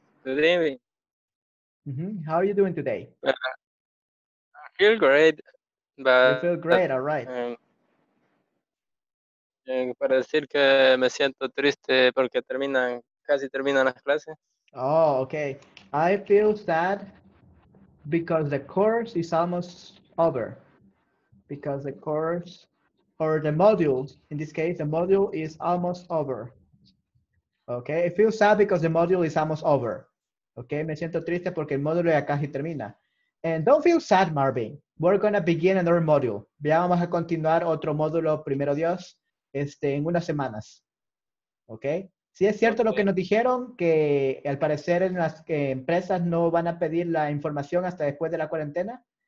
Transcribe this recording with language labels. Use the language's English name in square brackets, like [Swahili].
[English] Good evening. Mm-hmm. How are you doing today? I feel great. But you feel great, all right. [Spanish] Para decir que me siento triste porque casi terminan las clases. [English] Oh, okay. I feel sad because the course is almost over. Because the course, or the module, in this case, the module is almost over. Okay, I feel sad because the module is almost over. [Spanish] Okay, me siento triste porque el módulo ya casi termina. [English] And don't feel sad, Marvin. We're going to begin another module. [Spanish] Ya vamos a continuar otro módulo, primero Dios, en unas semanas. Okay. Sí, es cierto lo que nos dijeron, que al parecer en las empresas no van a pedir la información hasta después de la cuarentena.